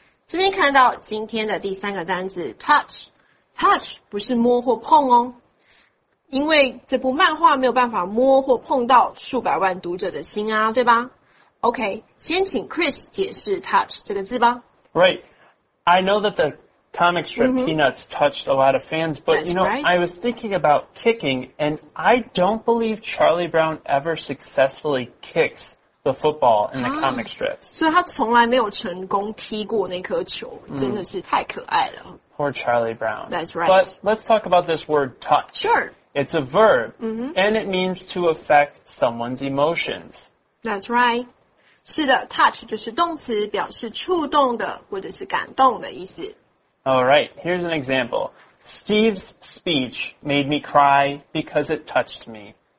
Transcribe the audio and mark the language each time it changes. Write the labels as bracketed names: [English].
[Chinese] 这边看到今天的第三个单字 touch。Touch 不是摸或碰哦，因为这部漫画没有办法摸或碰到数百万读者的心啊，对吧 ？OK， 先请 Chris 解释 touch 这个字吧。 [English] Right, I know that the comic strip Peanuts touched a lot of fans, but That's you know,、 right. I was thinking about kicking, and I don't believe Charlie Brown ever successfully kicks the football in the comic strips. [Chinese] 所以他从来没有成功踢过那颗球，真的是太可爱了。 [English] Poor Charlie Brown. That's right. But let's talk about this word touch. Sure. It's a verb, and it means to affect someone's emotions. That's right. [Chinese] 是的 touch 就是动词表示触动的或者是感动的意思。 [English] All right. Here's an example. Steve's speech made me cry because it touched me.